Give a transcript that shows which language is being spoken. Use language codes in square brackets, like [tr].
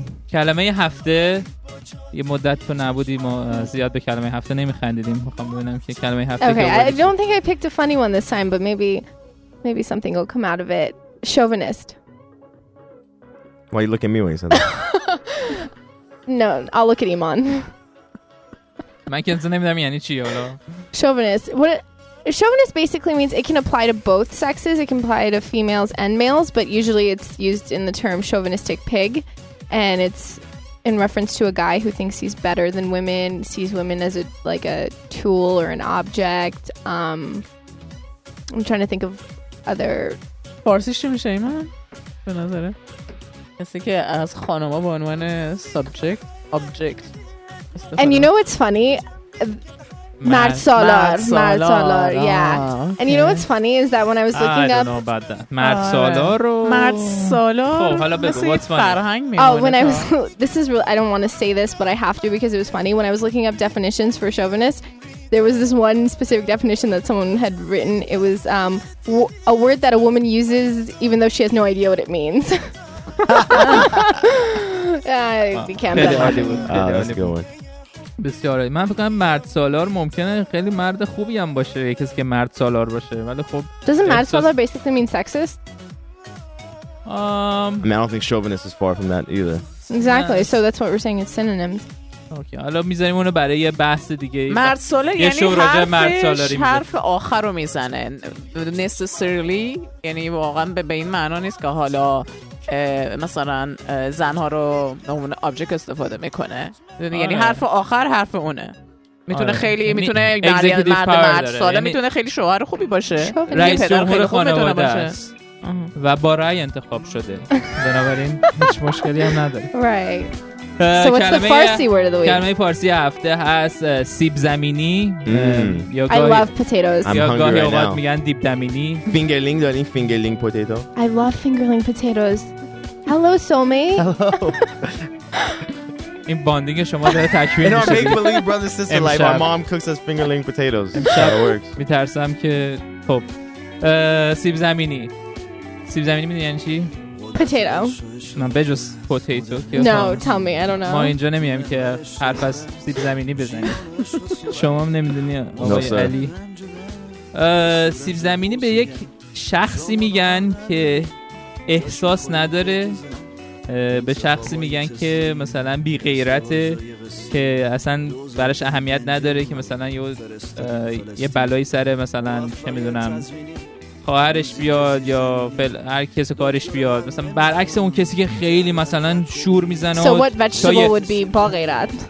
[fa] کلمه هفته یه مدت تو نبودی، ما زیاد به کلمه هفته نمیخندیدیم. میخوام ببینم که کلمه هفته. [en] Okay, I don't think I picked a funny one this time, but maybe something will come out of it. Chauvinist. Why you look at me when you said that? No, I'll look at Iman. My kids don't even know what you're Chauvinist. Chauvinist basically means it can apply to both sexes. It can apply to females and males, but usually it's used in the term chauvinistic pig, and it's in reference to a guy who thinks he's better than women, sees women as a tool or an object. I'm trying to think of other. [fa] فارسیش میشه ایمان؟ به نظره کسی که از خانوما به عنوان سابجکت آبجکت. [en] And you know what's funny? [fa] مرد سالار. [en] Yeah. Okay. And you know what's funny is that when I was looking up [fa] مرد سالار. [en] Oh, when I was this is real. I don't want to say this, but I have to because it was funny. When I was looking up definitions for chauvinist, there was this one specific definition that someone had written. It was a word that a woman uses even though she has no idea what it means. We can't. That's a good one. [fa] بسیار عالی. من فکر کنم مرد سالار ممکنه خیلی مرد خوبی هم باشه، یکی کسی که مرد سالار باشه، ولی خب [en] doesn't مرد سالار basically mean sexist? I mean, I don't think chauvinist is far from that either. Exactly. Yes. So that's what we're saying, it's synonyms. [fa] اوکی. حالا میذاریم اونو برای یه بحث دیگه. مرد سالار یعنی حرف آخر رو میزنه. Necessarily یعنی واقعا به این معنا نیست که حالا مثلا زنها رو نمونه آبجکت استفاده میکنه. آره. یعنی حرف آخر حرف اونه. میتونه آره. خیلی میتونه مرد ساله میتونه خیلی شوهر خوبی باشه. رئیس جمهور خانواده است و با رأی انتخاب شده. بنابراین هیچ مشکلی هم نداره. [en] Right. So what's the Farsi word of the week? [fa] کلمه فارسی هفته هست سیب زمینی. [en] I love potatoes. I'm hungry right now. [fa] یا گاهی اوقات میگن دیپ دمینی. [en] Fingerling داریم fingerling potato. I love fingerling potatoes. Hello soulmate. Hello. [fa] این باندینگ شما داره تکمیل میشه. [en] In our make-believe brother sister life, our mom cooks us fingerling potatoes. That works. [fa] میترسم که خب سیب زمینی. سیب زمینی میدونی یعنی چی؟ [en] Potato. [fa] من بجز potato. [en] No, tell me. I don't know. [fa] ما اینجا نمیایم که حرف از سیب زمینی بزنیم. شما هم نمیدونی. [en] No, sir. [fa] علی. سیب زمینی به یک شخصی میگن که احساس نداره. به شخصی میگن که مثلا بی غیرته، که اصلا براش اهمیت نداره که مثلا یه بلایی سره مثلا چه میدونم خواهرش بیاد یا هر کس کارش بیاد، مثلا برعکس اون کسی که خیلی مثلا شور میزنه. [en] So what vegetable would be باغیرت؟